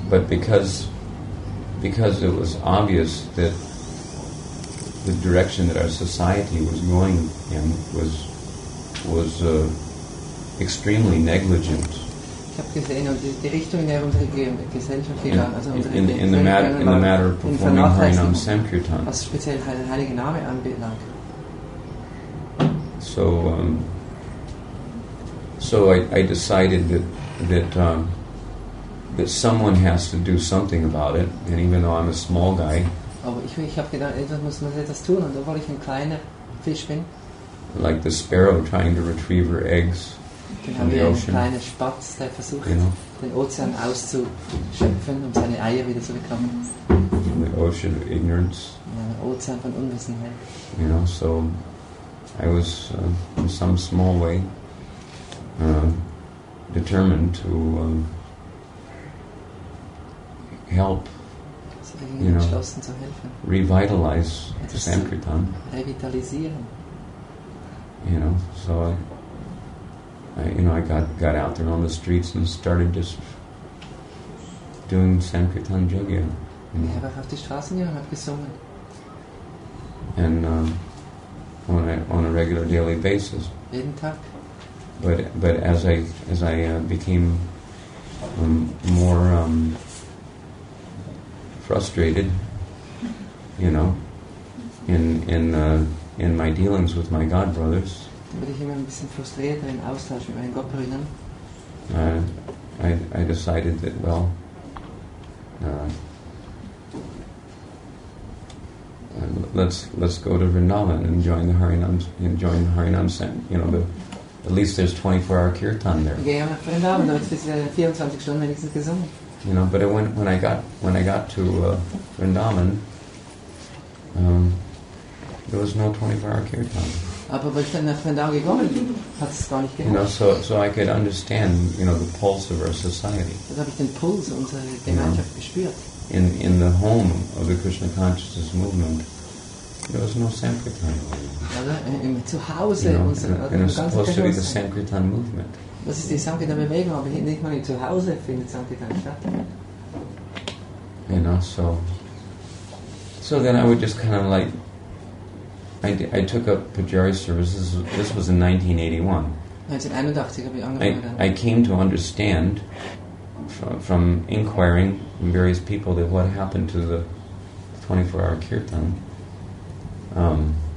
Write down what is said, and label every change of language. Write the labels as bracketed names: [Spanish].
[English] but because it was obvious that the direction that our society was going in was extremely negligent. [German] Ich habe gesehen, und die Richtung, in der unsere Gesellschaft gegangen, also [English] in the matter, in the matter of performing Harinam Sankirtan, [German] was speziell den Heiligen Name anbelangt. [English] So, I decided that someone has to do something about it, and even though I'm a small guy, [German] aber ich habe gedacht, etwas muss man etwas tun, und obwohl ich ein kleiner Fisch bin, [English] like the sparrow trying to retrieve her eggs. [German] Genau, wie ein kleiner Spatz, der versucht, [English] you know, [German] den Ozean auszuschöpfen, um seine Eier wieder zu bekommen. [English] In the ocean of ignorance. [German] In einem Ozean von Unwissenheit. [English] You know, so I was in some small way determined to help, so you know, [German] entschlossen zu helfen. [English] Revitalize the Sankirtan. [German] Revitalisieren. [English] You know, so I got out there on the streets and started just doing Sankirtan Jogya. [German] Einfach auf die Straßen gegangen und habe gesungen. [English] And on a regular daily basis. [German] Jeden Tag. [English] But as I became more frustrated, you know, in my dealings with my god brothers. [German] Ich immer ein bisschen frustrierter im Austausch mit meinen Gottbrüdern. [English] I decided that, well, let's go to Vrindavan and join the Harinam, you know, at least there's 24-hour kirtan there. [German] Gehen wir nach Vrindavan, dort ist 24 Stunden wenigstens gesungen. [English] You know, but when I got to Vrindavan, there was no 24-hour kirtan. [German] Aber weil ich dann nach Vrindavan gekommen bin, hat es gar nicht geholfen. [English] You know, so I could understand, you know, the pulse of our society. [German] Dann habe ich den Puls unserer Gemeinschaft gespürt. [English] In the home of the Krishna Consciousness Movement, there was no Sankirtan. [German] Oder im Zuhause unserer Gemeinschaft. [English] It was supposed to be the Sankirtan Movement. [German] Das ist die Sankirtan-Bewegung, aber nicht mal im Zuhause findet Sankirtan statt. [English] You know, so then I would just kind of like, I took up Pujari services. This was in 1981. I came to understand from inquiring from various people that what happened to the 24-hour kirtan.